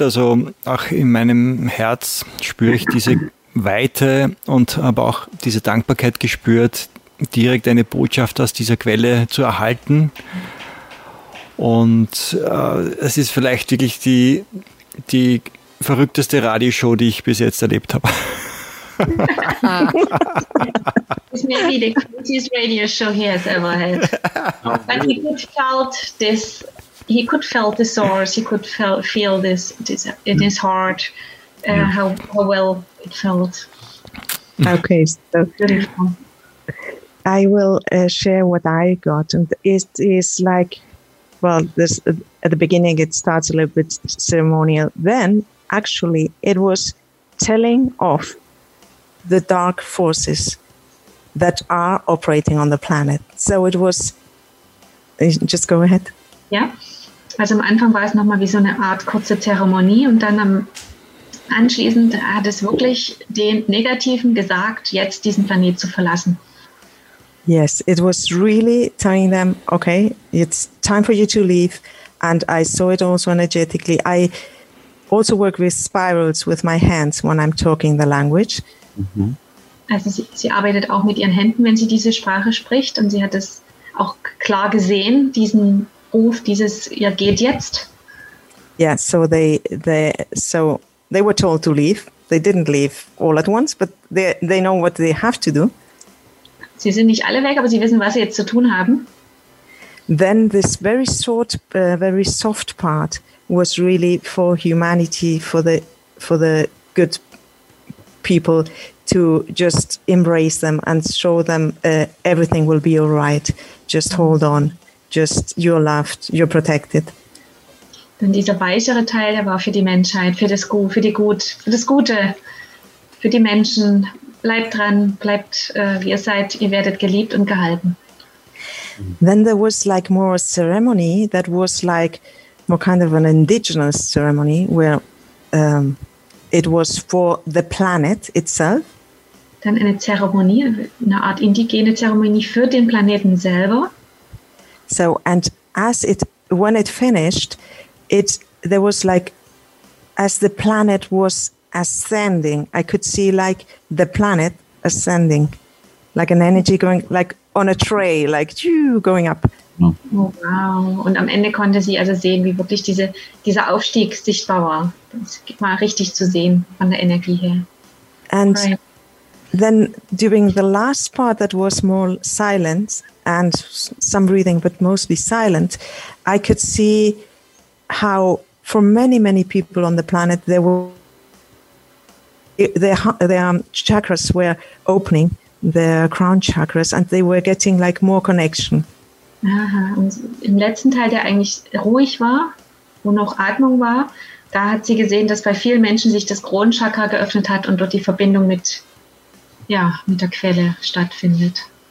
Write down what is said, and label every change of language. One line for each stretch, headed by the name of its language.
German: Also auch in meinem Herz spüre ich diese Weite und aber auch diese Dankbarkeit gespürt, direkt eine Botschaft aus dieser Quelle zu erhalten. Und es ist vielleicht wirklich die verrückteste Radioshow, die ich bis jetzt erlebt habe.
English: This may be the craziest radio show he has ever had. But he could feel this in his heart, how well it felt. Okay, so beautiful. I will share what I got, and it is like, well, this at the beginning it starts a little bit ceremonial. Then actually it was telling off the dark forces that are operating on the planet. So it was, just go ahead. Yeah.
German: Also am Anfang war es nochmal wie so eine Art kurze Zeremonie, und dann anschließend hat es wirklich den Negativen gesagt, jetzt diesen Planet zu verlassen.
English: Yes, it was really telling them, okay, it's time for you to leave. And I saw it also energetically. I also work with spirals with my hands when I'm talking the language. Mm-hmm.
German: Also sie arbeitet auch mit ihren Händen, wenn sie diese Sprache spricht. Und sie hat es auch klar gesehen, diesen Ruf, dieses, ja, geht jetzt.
English: Yeah, so they were told to leave. They didn't leave all at once, but they know what they have to do.
German: Sie sind nicht alle weg, aber sie wissen, was sie jetzt zu tun haben.
English: Then this very short, very soft part was really for humanity, for the good people, to just embrace them and show them everything will be all right. Just hold on. Just you're loved. You're protected.
German: Denn dieser weichere Teil, der war für die Menschheit, für das Gute, für die Menschen. Bleibt dran, bleibt wie ihr seid, ihr werdet geliebt und gehalten.
English: Then there was like more a ceremony that was like more kind of an indigenous ceremony where it was for the planet itself.
German: Dann eine Zeremonie, eine Art indigene Zeremonie für den Planeten selber.
English: So, and as it, when it finished, there was like, as the planet was ascending, I could see like the planet ascending, like an energy going, like on a tray, like going up. Oh, wow.
German: Und am Ende konnte sie also sehen, wie wirklich dieser Aufstieg sichtbar war. Das war richtig zu sehen von der Energie her.
English: And then during the last part that was more silent and some breathing, but mostly silent, I could see how for many, many people on the planet, their chakras were opening, their crown chakras, and they were getting like more connection.
German: Aha, und im letzten Teil, der eigentlich ruhig war, wo noch Atmung war, da hat sie gesehen, dass bei vielen Menschen sich das Kronenchakra geöffnet hat und dort die Verbindung mit der Quelle stattfindet.